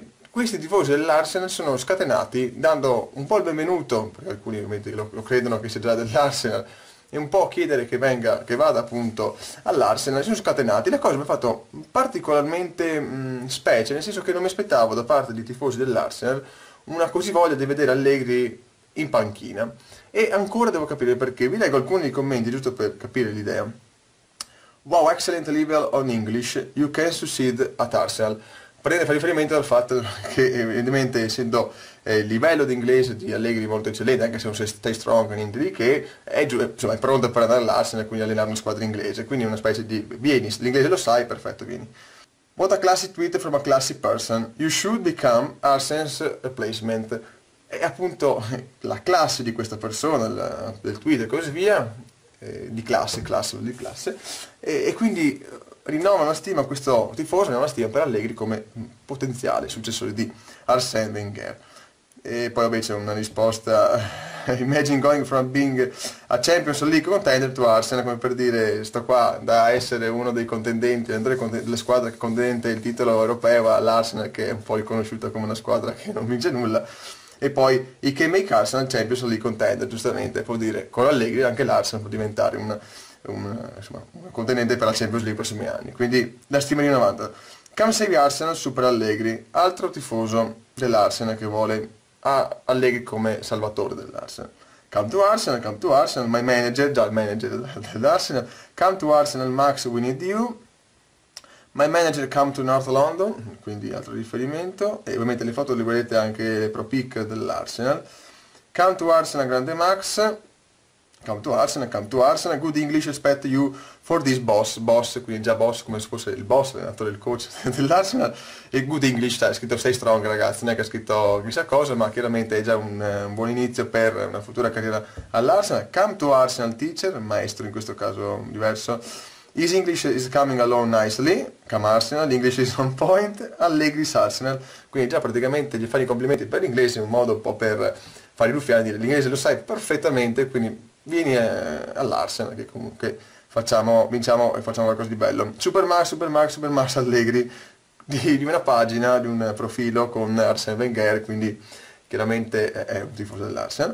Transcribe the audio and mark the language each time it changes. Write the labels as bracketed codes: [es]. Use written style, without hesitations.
[it] Questi tifosi dell'Arsenal sono scatenati dando un po' il benvenuto, perché alcuni ovviamente lo credono che sia già dell'Arsenal, e un po' chiedere che vada appunto all'Arsenal. Si sono scatenati. La cosa mi ha fatto particolarmente specie, nel senso che non mi aspettavo da parte di tifosi dell'Arsenal una così voglia di vedere Allegri in panchina. E ancora devo capire perché. Vi leggo alcuni commenti giusto per capire l'idea. [en] Wow, excellent level on English. You can succeed at Arsenal. [it] Prende, fa riferimento al fatto che evidentemente essendo il livello di inglese di Allegri molto eccellente, anche se non sei stay strong e niente di che, è giù, insomma, è pronto per andare all'Arsenal e quindi allenare una squadra inglese. Quindi è una specie di vieni, l'inglese lo sai, perfetto, vieni. [en] What a classy tweet from a classy person. You should become Arsene's replacement. [it] E appunto la classe di questa persona, del tweet e così via, di classe, classe, di classe, e quindi rinnova una stima a questo tifoso, rinnova una stima per Allegri come potenziale successore di Arsène Wenger. E poi vabbè c'è una risposta, [en] imagine going from being a Champions League contender to Arsenal, [it] come per dire sto qua da essere uno dei contendenti, andare con la squadra che contendente il titolo europeo all'Arsenal, che è un po' riconosciuta come una squadra che non vince nulla, e poi i che [en] make Arsenal Champions League contender, [it] giustamente, può dire con Allegri anche l'Arsenal può diventare insomma, un contendente per la Champions League nei prossimi anni. Quindi la stima di 90. [en] Come save Arsenal [it] super Allegri, altro tifoso dell'Arsenal che vuole Allegri come salvatore dell'Arsenal. [en] Come to Arsenal, my manager, [it] già il manager dell'Arsenal. [en] Come to Arsenal, Max, we need you. My manager come to North London, [it] quindi altro riferimento. E ovviamente le foto le vedete anche le pro pic dell'Arsenal. [en] Come to Arsenal, grande Max. Come to Arsenal, good English expect you for this boss. [it] Boss, quindi già boss come se fosse il boss, l'allenatore, il coach dell'Arsenal. E good English, cioè, è scritto stay strong ragazzi, non è che ha scritto chissà cosa, ma chiaramente è già un buon inizio per una futura carriera all'Arsenal. [en] Come to Arsenal teacher, [it] maestro in questo caso diverso. [en] His English is coming along nicely, come Arsenal, English is on point, Allegri's Arsenal. [it] Quindi già praticamente gli fai i complimenti per l'inglese, un modo un po' per fare i ruffiani, dire l'inglese lo sai perfettamente, quindi vieni all'Arsenal che comunque vinciamo e facciamo qualcosa di bello. Super Max Allegri di una pagina, di un profilo con Arsène Wenger, quindi chiaramente è un tifoso dell'Arsenal.